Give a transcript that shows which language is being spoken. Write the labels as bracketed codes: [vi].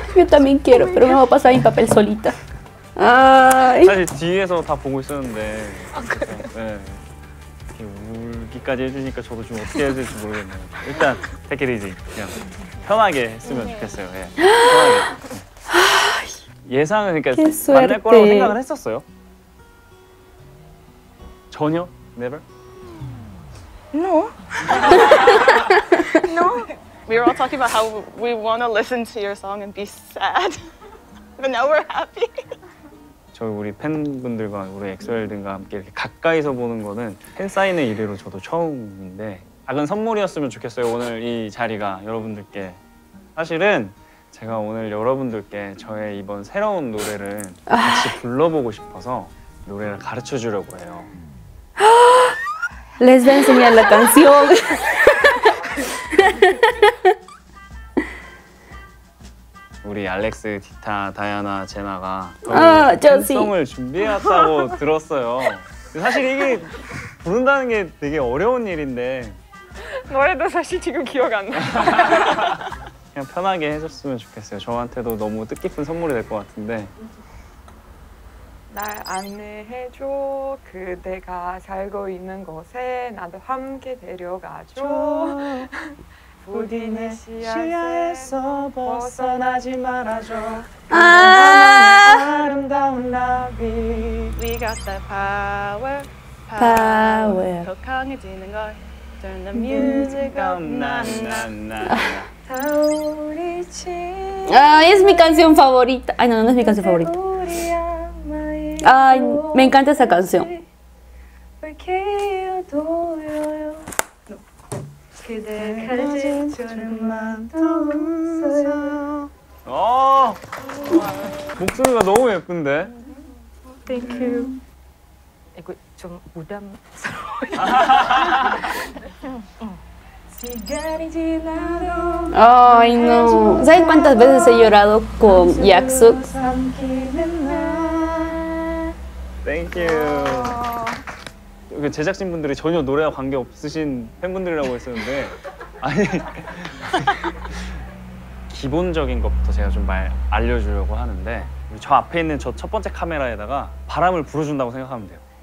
[es] Yo también quiero, pero me voy a pasar mi papel solita. Ay. [ko] 사실 뒤에서 다 보고 있었는데. 네. 이렇게 울기까지 해주니까 저도 좀 어떻게 해야 될지 모르겠네요. [en] 일단 take it easy. [ko] 그냥 편하게 했으면 좋겠어요. 예. 예상은 그러니까 만날 거라고 생각을 했었어요. 전혀 never. [es] No. No. [en] We were all talking about how we want to listen to your song and be sad, but now we're happy. [ko] 저희 우리 팬분들과 우리 엑소엘들과 함께 이렇게 가까이서 보는 거는 팬 사인회 이래로 저도 처음인데 작은 선물이었으면 좋겠어요. 오늘 이 자리가 여러분들께 사실은. 제가 오늘 여러분들께 저의 이번 새로운 노래를 같이 불러보고 싶어서 노래를 가르쳐 주려고 해요. [es] Les voy a enseñar la canción. [ko] Uri, Alex, Tita, Diana, Jenna가 팬송을 준비했다고 들었어요. 사실 이게 부른다는 게 되게 어려운 일인데 노래도 사실 지금 기억 안 나. 그냥 편하게 해줬으면 좋겠어요. 저한테도 너무 뜻깊은 선물이 될 것 같은데. 날 안내해줘 그대가 살고 있는 곳에 나도 함께 데려가줘 부디 내 시야에서 벗어나지 말아줘 아름다운 나비 [en] We got the power, power [ko] 더 강해지는 걸 [en] Turn the music up, na na na [es] Es mi canción favorita. Ay, no, no es mi canción favorita. Ay, me encanta esa canción. [ko] Oh, 목소리가 너무 예쁜데. [en] Thank you. [ko] 이거 좀 부담스러워. [es] Ay, no. ¿Sabes cuántas veces he llorado con Jacksuk? [en] Thank you. [ko] 여기 제작진분들이 전혀 노래와 관계 없으신 팬분들이라고 했었는데 아니 기본적인 것부터 제가 좀 알려주려고 하는데 저 앞에 있는 저 첫 번째 카메라에다가 바람을 불어준다고 생각하면 돼요.